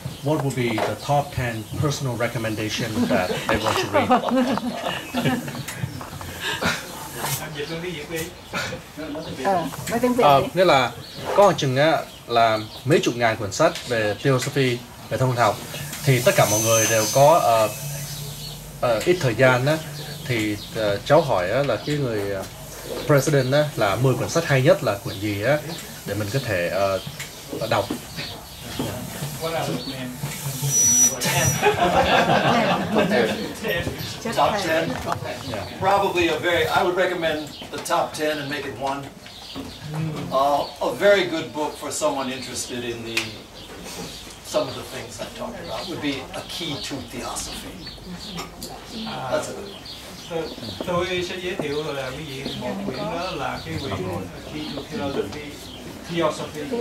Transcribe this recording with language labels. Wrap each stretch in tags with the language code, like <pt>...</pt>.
<en>What would be the top 10 personal recommendation that everyone should read?</en> <vi>Nghĩa là có chừng là mấy chục ngàn quyển sách về philosophy, về thông học, thì tất cả mọi người đều có ít thời gian á, thì cháu hỏi á, là cái người president á, là 10 quyển sách hay nhất là quyển gì á, để mình có thể đọc.</vi> <en>Top 10. Probably a very, I would recommend the top 10 and make it one. A very good book for someone interested in the some of the things I've talked about would be A Key to Theosophy. That's a good one.</en> <vi>Tôi sẽ giới thiệu là quý vị một quyển đó là cái quyển Key to Theosophy.</vi>